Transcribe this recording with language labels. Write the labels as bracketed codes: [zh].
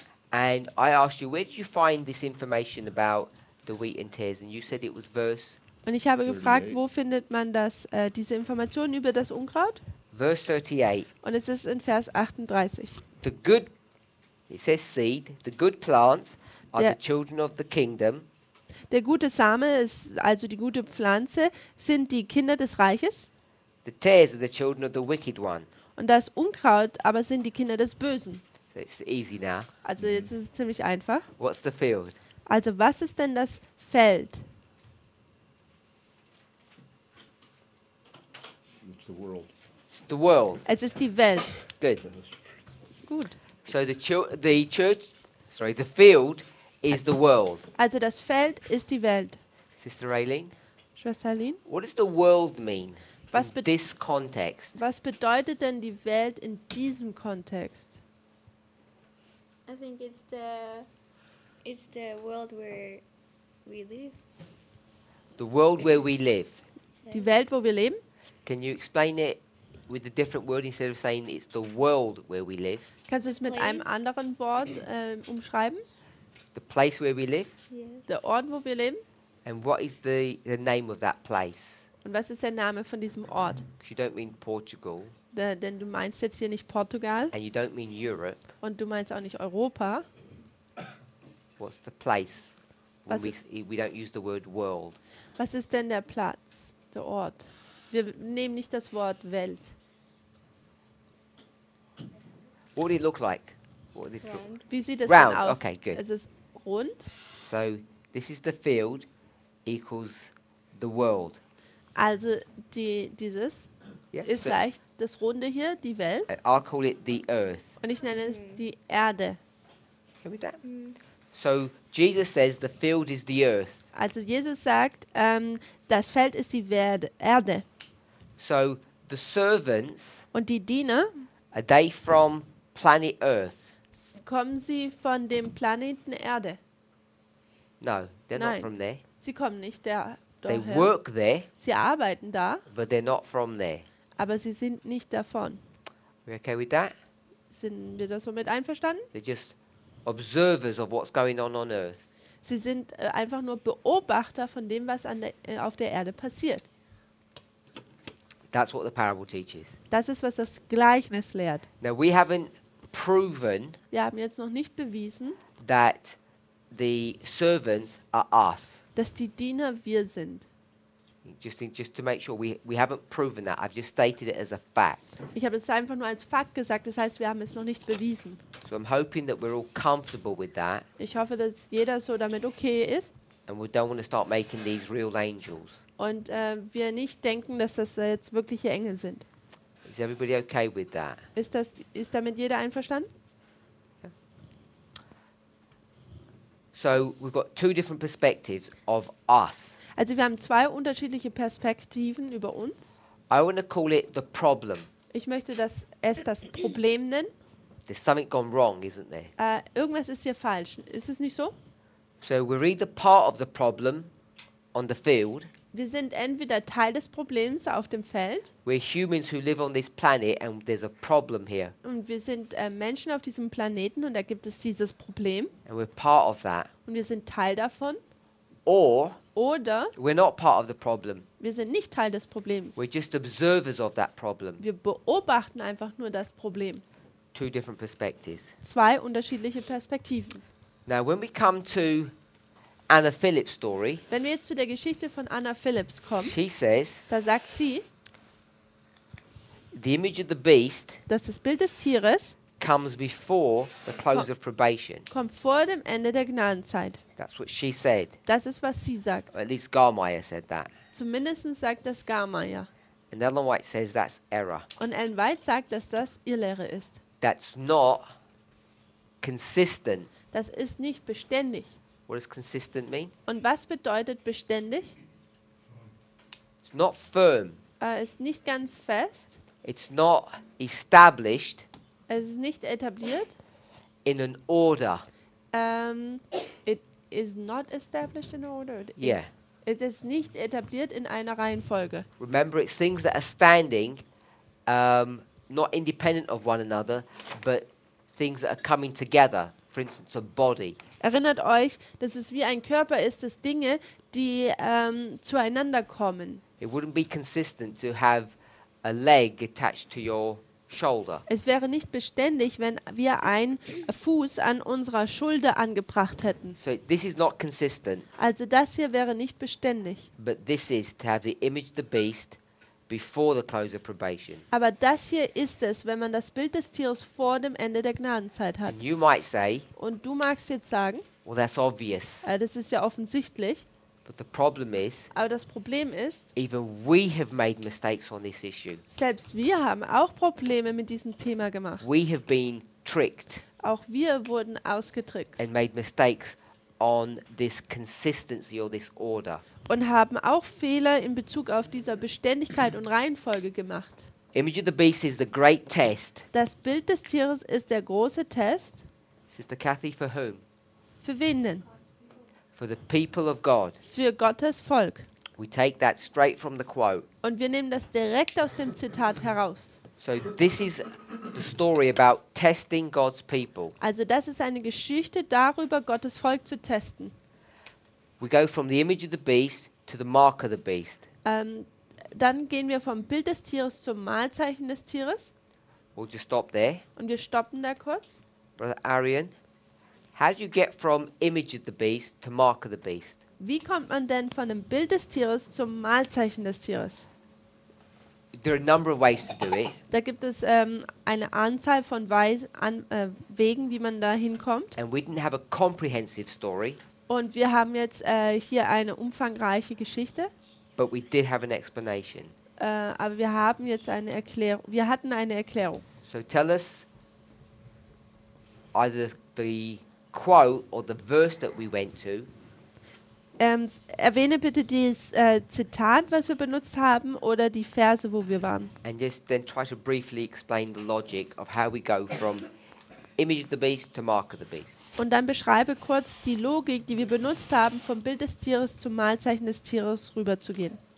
[en] And I asked you, where did you find this information about the wheat and tares? And you said it was verse. [de] Und ich habe 38. gefragt, wo findet man das, diese Informationen über das Unkraut? [en] Verse 38. [de] Und es ist in Vers 38. [en] The good, it says seed, the good plants are the children of the kingdom. [de] Der gute Same ist also die gute Pflanze, sind die Kinder des Reiches. [en] The tares are the children of the wicked one. [de] Und das Unkraut aber sind die Kinder des Bösen. [en] So it's easy now. [de] Also jetzt ist es ziemlich einfach. [en] What's the field? [de] Also was ist denn das Feld? [en] The world. It's the world. [de] Es ist die Welt. [en] Good. Good. So the field is the world. [de] Also das Feld ist die Welt. [en] Sister Aileen. [de] Schwester Aileen. [en] What does the world mean? [de] Was [en] in this context? [de] Was bedeutet denn die Welt in diesem Kontext? [en] I think it's the world where we live. The world where we live. [de] Die Welt, wo wir leben. [en] Can you explain it with a different word instead of saying it's the world where we live? [de] Kannst du es mit einem anderen Wort umschreiben? [en] The place where we live? Yes. [de] Der Ort, wo wir leben? [en] And what is the name of that place? [de] Und was ist der Name von diesem Ort? [en] You don't mean Portugal. [de] Denn du meinst jetzt hier nicht Portugal. [en] And you don't mean Europe. [de] Und du meinst auch nicht Europa. [en] What's the place? We don't use the word world. [de] Was ist denn der Platz, der Ort? Wir nehmen nicht das Wort Welt. [en] What would it look like? [de] Wie sieht das [en] round. [de] Denn aus? [en] Okay, good. [de] Es ist rund. [en] So, this is the field equals the world. [de] Also, ist gleich das Runde hier, die Welt. [en] I'll call it the earth. [de] Und ich nenne es die Erde. [en] Can we do that? Mm. So, Jesus says the field is the earth. [de] Also, Jesus sagt, das Feld ist die Erde. [en] So the servants [de] und die Diener [en] are they from planet Earth? [de] Kommen sie von dem Planeten Erde? [en] No, they're [de] Nein. [en] not from there. [de] Sie kommen nicht da. [en] They work there. [de] Sie arbeiten da. [en] But they're not from there. [de] Aber sie sind nicht davon. [en] We okay with that? [de] Sind wir das somit einverstanden? [en] They're just observers of what's going on Earth. [de] Sie sind einfach nur Beobachter von dem, was auf der Erde passiert. [en] That's what the parable teaches. [de] Das ist, was das Gleichnis lehrt. [en] Now we haven't proven. [de] Wir haben jetzt noch nicht bewiesen, [en] that the servants are us. [de] Dass die Diener wir sind. [en] Just to make sure we haven't proven that. I've just stated it as a fact. [de] Ich habe es einfach nur als Fakt gesagt. Das heißt, wir haben es noch nicht bewiesen. [en] So I'm hoping that we're all comfortable with that. [de] Ich hoffe, dass jeder so damit okay ist. [en] And we don't want to start making these real angels. [de] Und wir nicht denken, dass das jetzt wirkliche Engel sind. [en] Is everybody okay with that? [de] Ist damit jeder einverstanden? [en] So we've got two different perspectives of us. [de] Also wir haben zwei unterschiedliche Perspektiven über uns. [en] I want to call it the problem. [de] Ich möchte das es das Problem nennen. [en] There's something gone wrong, isn't there? [de] Irgendwas ist hier falsch. Ist es nicht so? [en] So we read the part of the problem on the field. [de] Wir sind entweder Teil des Problems auf dem Feld. [en] We're humans who live on this planet and there's a problem here. [de] Und wir sind Menschen auf diesem Planeten und da gibt es dieses Problem. [en] And we're part of that. [de] Und wir sind Teil davon. Oder [en] we're not part of the problem. [de] Wir sind nicht Teil des Problems. [en] We're just observers of that problem. [de] Wir beobachten einfach nur das Problem. [en] Two different perspectives. [de] Zwei unterschiedliche Perspektiven. [en] Now when we come to Anna Phillips' story. [de] Wenn wir jetzt zu der Geschichte von Anna Phillips kommen. [en] She says. [de] Da sagt sie. [en] The image of the beast. [de] Dass das Bild des Tieres. [en] Comes before the close of probation. [de] Kommt vor dem Ende der Gnadenzeit. [en] That's what she said. [de] Das ist was sie sagt. [en] Or at least Garmeyer said that. [de] Zumindest sagt das Garmeyer. [en] And Ellen White says that's error. [de] Und Ellen White sagt, dass das Irrlehre ist. [en] That's not consistent. [de] Das ist nicht beständig. [en] What does consistent mean? [de] Und was bedeutet beständig? [en] It's not firm. [de] Ist nicht ganz fest. [en] It's not established. [de] Es ist nicht etabliert. [en] In an order. It is not established in order. It yeah. Is, it is [de] nicht etabliert in einer Reihenfolge. [en] Remember, it's things that are standing, not independent of one another, but things that are coming together. For instance, a body. [de] Erinnert euch, dass es wie ein Körper ist, dass Dinge, die zueinander kommen. [en] It wouldn't be consistent to have a leg attached to your shoulder. [de] Es wäre nicht beständig, wenn wir einen Fuß an unserer Schulter angebracht hätten. [en] So this is not consistent. [de] Also das hier wäre nicht beständig. [en] But this is to have the image of the beast before the close of probation. [de] Aber das hier ist es, wenn man das Bild des Tieres vor dem Ende der Gnadenzeit hat. [en] And you might say, [de] und du magst jetzt sagen, [en] well, that's obvious. [de] Das ist ja offensichtlich. [en] But the problem is, [de] aber das Problem ist, [en] even we have made mistakes on this issue. [de] Selbst wir haben auch Probleme mit diesem Thema gemacht. [en] We have been tricked. [de] Auch wir wurden ausgetrickst. [en] And made mistakes on this consistency or this order. [de] Und haben auch Fehler in Bezug auf dieser Beständigkeit und Reihenfolge gemacht. [en] Image of the beast is the great test. [de] Das Bild des Tieres ist der große Test. [en] Sister Kathy, for whom? [de] Für wen denn? [en] For the people of God. [de] Für Gottes Volk. [en] We take that straight from the quote. [de] Und wir nehmen das direkt aus dem Zitat heraus. [en] So this is the story about testing God's people. [de] Also das ist eine Geschichte darüber, Gottes Volk zu testen. [en] We go from the image of the beast to the mark of the beast. [de] Dann gehen wir vom Bild des Tieres zum Malzeichen des Tieres. [en] We'll just stop there. [de] Und wir stoppen da kurz. [en] Brother Arian, how do you get from image of the beast to mark of the beast? [de] Wie kommt man denn von dem Bild des Tieres zum Malzeichen des Tieres? [en] There are a number of ways to do it. [de] Da gibt es eine Anzahl von Wegen, wie man da hinkommt. [en] And we didn't have a comprehensive story. [de] Und wir haben jetzt hier eine umfangreiche Geschichte. [en] But we did have an explanation. [de] Aber wir haben jetzt eine Erklärung. Wir hatten eine Erklärung. [en] So tell us either the quote or the verse that we went to. [de] Erwähne bitte dieses Zitat, was wir benutzt haben, oder die Verse, wo wir waren. [en] And just then try to briefly explain the logic of how we go from image of the beast to mark of the beast. [de] Und dann beschreibe kurz die Logik, die wir benutzt haben, vom Bild des Tieres zum Malzeichen des Tieres rüberzugehen.